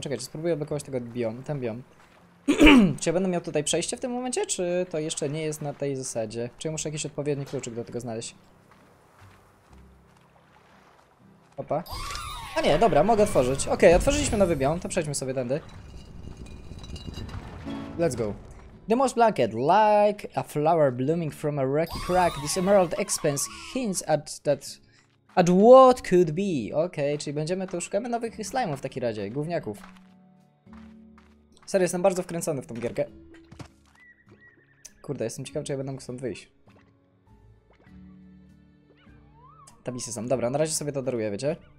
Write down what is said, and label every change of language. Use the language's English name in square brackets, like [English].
[Polish] Czekajcie, spróbuję odblokować tego biom, ten biom. Czy ja będę miał tutaj przejście w tym momencie, czy to jeszcze nie jest na tej zasadzie? Czy ja muszę jakiś odpowiedni kluczyk do tego znaleźć? Opa. A nie, dobra, mogę otworzyć. Okej, okay, otworzyliśmy nowy biom, to przejdźmy sobie tędy. [English] Let's go. The moss blanket, like a flower blooming from a rocky crack, this emerald expanse hints at that... at what could be. [Polish] Okej, okay, czyli będziemy tu szukamy nowych slime'ów w takim razie, gówniaków. Serio, jestem bardzo wkręcony w tą gierkę. Kurde, jestem ciekaw, czy ja będę mógł stąd wyjść. Tabisy są. Dobra, na razie sobie to daruję, wiecie?